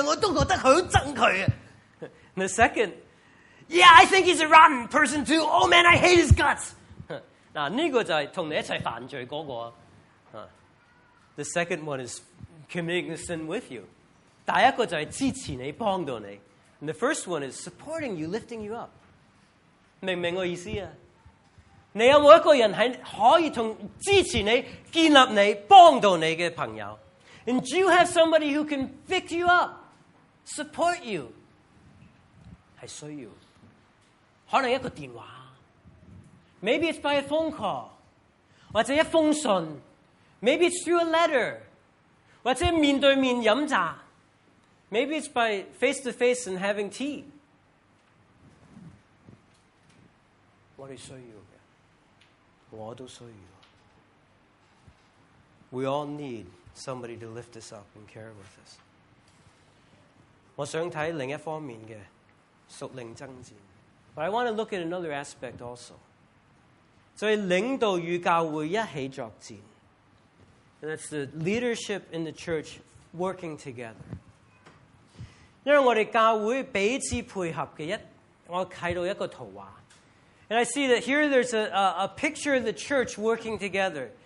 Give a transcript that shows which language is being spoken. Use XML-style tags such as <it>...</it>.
<zh>第二條路呢?是啊,他真的很壞,我都覺得他很討厭他。</zh> <en>The second, yeah, I think he's a rotten person too. Oh man, I hate his guts.</en> <zh>那这个就是跟你一起犯罪那个。</zh> <en>The second one is committing sin with you.</en> <zh>第一個就是支持你,幫助你.</zh> <en>And the first one is supporting you, lifting you up.</en> <zh>明白我意思啊? 你有沒有一個人可以支持你,建立你,幫助你的朋友?</zh> <en>And do you have somebody who can pick you up, support you?</en> <zh>是需要.可能一個電話.</zh> <en>Maybe it's by a phone call.</en> <zh>或者一封信.</zh> <en>Maybe it's through a letter.</en> <zh>或者面對面飲茶.</zh> <en>Maybe it's by face-to-face and having tea. What is so you? What is so you? We all need somebody to lift us up and care with us.</en> <zh>我想看另一方面的屬靈爭戰.</zh> <en>But I want to look at another aspect also.</en> <zh>所以領導與教會一起作戰.</zh> <en>And that's the leadership in the church working together.</en> <zh>因為我們教會彼此配合的,我看到一個圖畫.</zh> <en>And I see that here there's a picture of the church working together.</en>